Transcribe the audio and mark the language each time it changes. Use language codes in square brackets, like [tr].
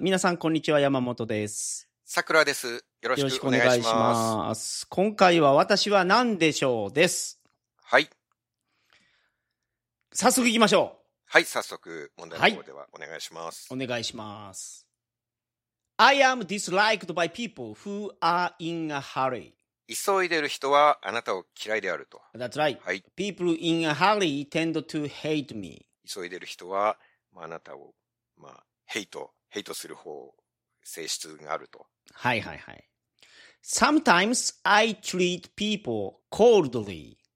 [ja] 皆さんこんにちは、山本です。桜です。よろしくお願いします。今回は私は何でしょうです。はい、早速行きましょう。はい、早速問題の方ではお願いします。はい、お願いします。 [en] I am disliked by people who are in a hurry。 [ja] 急いでる人はあなたを嫌いであると。 [en] That's right、はい、People in a hurry tend to hate me。 [ja] 急いでる人は、まあ、あなたを、まあ、ヘイトする方、性質があると。 [en] はいはいはい。Sometimes I treat people coldly。